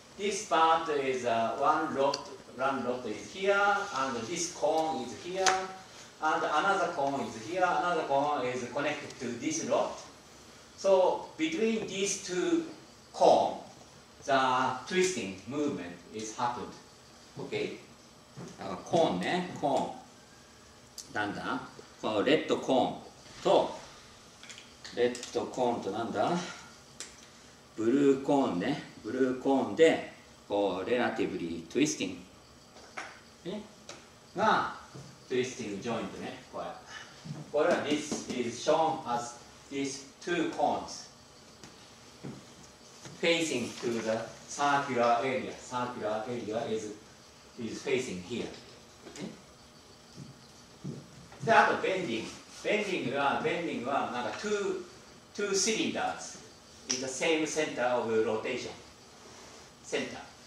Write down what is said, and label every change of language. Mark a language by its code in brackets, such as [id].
[en] This part is one rod is here, and this cone is here, and another cone is here, another cone is connected to this rod. So between these two cones, the twisting movement is happened. Okay? [ja] コーンね、コーン。なんだ? このレッドコーンと、レッドコーンとなんだ? ブルーコーンね、ブルーコーンで、こう、レラティブリートゥイスティング。ね? が、トゥイスティングジョイントね、これ。これは、 [en] This is shown as these two cones facing to the circular area. Circular area is facing here. [ja] であと [en] bending. Bending [ja] はなんか [en] two cylinders in the same center of rotation. Center.